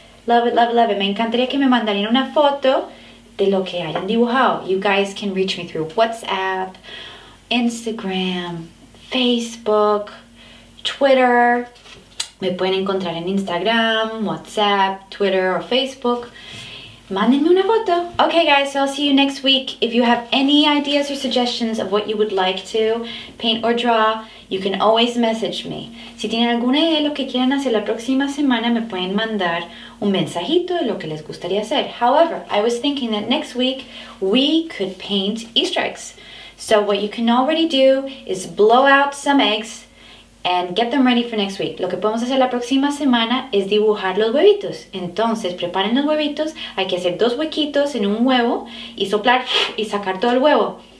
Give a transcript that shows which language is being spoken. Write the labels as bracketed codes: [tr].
[en] Love it, love it, love it. [es] Me encantaría que me mandaran una foto de lo que hayan dibujado. [en] You guys can reach me through WhatsApp, Instagram, Facebook, Twitter. [es] Me pueden encontrar en Instagram, WhatsApp, Twitter, or Facebook. Mándenme una foto. [en] Okay, guys, so I'll see you next week. If you have any ideas or suggestions of what you would like to paint or draw, you can always message me. [es] Si tienen alguna idea de lo que quieren hacer la próxima semana, me pueden mandar un mensajito de lo que les gustaría hacer. [en] However, I was thinking that next week we could paint Easter eggs. So what you can already do is blow out some eggs and get them ready for next week. [es] Lo que podemos hacer la próxima semana es dibujar los huevitos. Entonces, preparen los huevitos. Hay que hacer dos huequitos en un huevo y soplar y sacar todo el huevo.